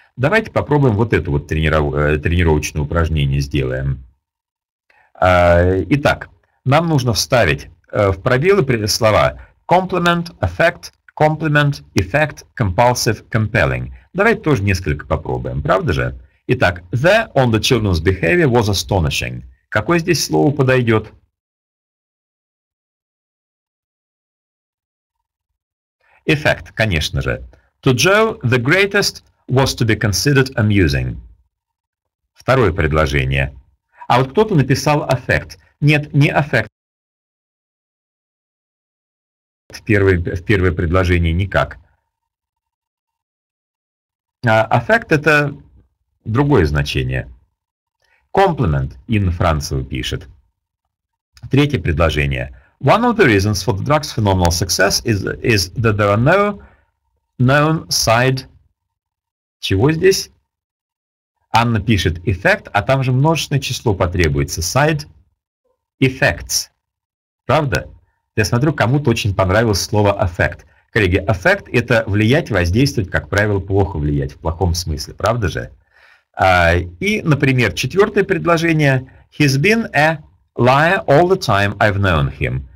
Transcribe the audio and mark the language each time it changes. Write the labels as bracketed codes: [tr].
[ru] Давайте попробуем вот это вот тренировочное упражнение сделаем. Итак, нам нужно вставить в пробелы слова complement, effect, complement, effect, compulsive, compelling. Давайте тоже несколько попробуем, правда же? Итак, [en] the on the children's behavior was astonishing. [ru] Какое здесь слово подойдет? Effect, конечно же. [en] To Joe, the greatest was to be considered amusing. [ru] Второе предложение. А вот кто-то написал effect. Нет, не effect. В первое предложение никак. Аффект – это другое значение. Комплимент, Инна Францева пишет. Третье предложение. [en] One of the reasons for the drug's phenomenal success is that there are no known side... [ru] Чего здесь? Анна пишет «эффект», а там же множественное число потребуется. [en] Side effects. [ru] Правда? Я смотрю, кому-то очень понравилось слово «affect». Коллеги, «affect» — это влиять, воздействовать, как правило, плохо влиять, в плохом смысле, правда же? И, например, четвертое предложение. [en] «He's been a liar all the time I've known him».